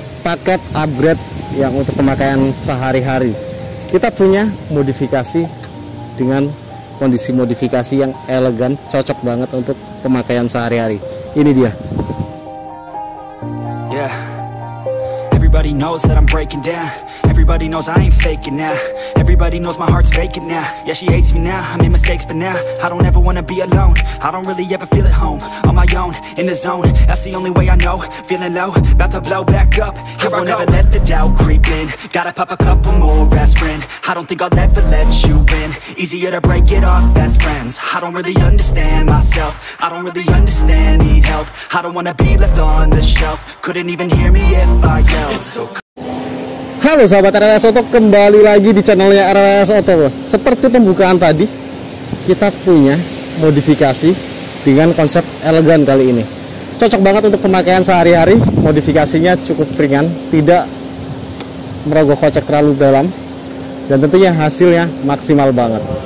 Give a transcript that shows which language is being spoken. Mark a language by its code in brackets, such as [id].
[id] paket upgrade yang untuk pemakaian sehari-hari. Kita punya modifikasi dengan kondisi modifikasi yang elegan, cocok banget untuk pemakaian sehari-hari. Ini dia. Yeah. [en] Everybody knows that I'm breaking down. Everybody knows I ain't faking now. Everybody knows my heart's faking now. Yeah, she hates me now. I made mistakes, but now I don't ever wanna be alone. I don't really ever feel at home. On my own, in the zone. That's the only way I know. Feeling low, about to blow back up. Here I won't ever let the doubt creep in. Gotta pop a couple more aspirin. I don't think I'll ever let you win. Easier to break it off best friends. I don't really understand myself. I don't really understand, need help. I don't wanna be left on the shelf. Couldn't even hear me if I yelled. It's so cool. [id] Halo sahabat RRS Auto, kembali lagi di channelnya RRS Auto. Seperti pembukaan tadi, kita punya modifikasi dengan konsep elegan kali ini. Cocok banget untuk pemakaian sehari-hari, modifikasinya cukup ringan, tidak merogoh kocek terlalu dalam, dan tentunya hasilnya maksimal banget.